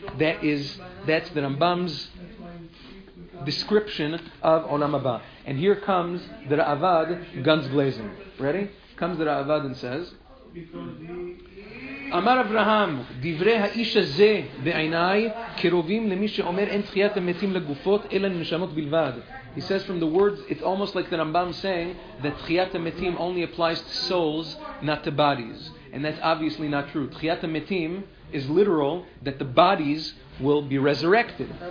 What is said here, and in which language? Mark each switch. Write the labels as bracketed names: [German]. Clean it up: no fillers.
[English] That's the Rambam's description of Olam Haba. And here comes the Ra'avad guns blazing. Ready? Comes the Ra'avad and says, [Hebrew] אמר אברהם, דברי האיש הזה בעיניי קרובים למי שאומר אין תחיית המתים לגופות אלא לנשמות בלבד. [English] He says from the words, it's almost like the Rambam saying that תחיית המתים only applies to souls, not to bodies. And that's obviously not true. תחיית המתים is literal, that the bodies will be resurrected.